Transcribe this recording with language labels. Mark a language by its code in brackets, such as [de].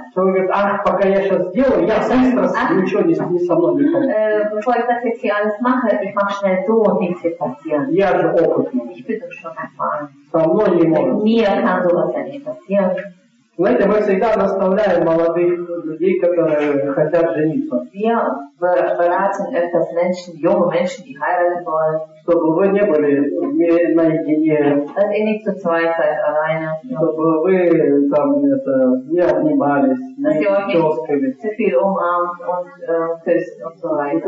[ru] Говорит, ach, пока я сейчас сделаю, я быстро, ничего не со мной не [de] bevor ich das jetzt hier alles mache, ich mache schnell so und nichts wird passieren. [ru] Я же опытный. [de] Ich bin doch schon erfahren. [ru] Со мной не может. [de] Mir kann sowas ja nicht passieren. [ru] Знаете, мы всегда наставляем молодых людей, которые хотят жениться. [de] Wir beraten öfters Menschen, junge Menschen, die heiraten wollen. [ru] Чтобы вы не были наедине. [de] Dass ihr nicht zu zweit seid, alleine. [ru] Чтобы вы там это, не обнимались, не тёскали. [de] Dass ihr zu viel umarmt und küsst und so weiter.